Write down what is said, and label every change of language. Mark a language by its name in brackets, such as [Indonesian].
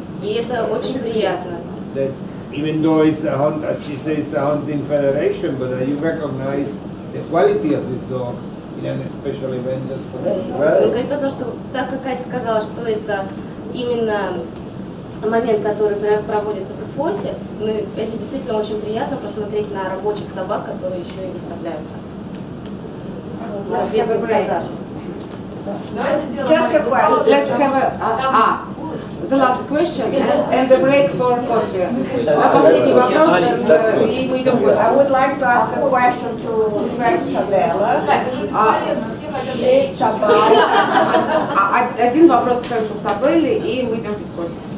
[English] That even though it's a hunt, as she says, a hunting federation, but you recognize the quality of these dogs in an special event just for them. [Russian] Именно момент, который проводится при ФОСе, ну, это действительно очень приятно посмотреть на рабочих собак, которые еще и выставляются. [English] The last question and the break for coffee. I would like to ask a question to Frank Sabella. [Russian] Один вопрос к Франку Сабелле и выйдем пить кофе.